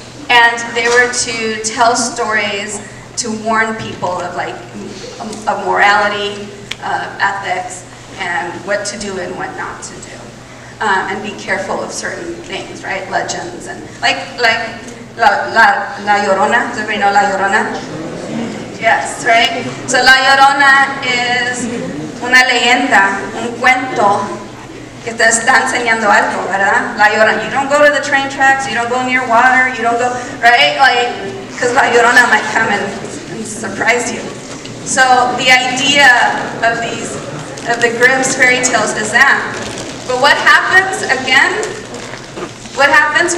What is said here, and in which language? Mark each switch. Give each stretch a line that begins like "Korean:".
English: And they were to tell stories to warn people of, like, of morality, ethics, and what to do and what not to do. And be careful of certain things, right? Legends and, like, La Llorona, does everybody know La Llorona? Yes, right? So La Llorona is
Spanish: una leyenda, un cuento que te está enseñando algo, ¿verdad?
English: La Llorona, you don't go to the train tracks, you don't go near water, you don't go, right? Like, because La Llorona might come and surprise you. So the idea of these, of the Grimm's fairy tales is that. But what happens again? What happens?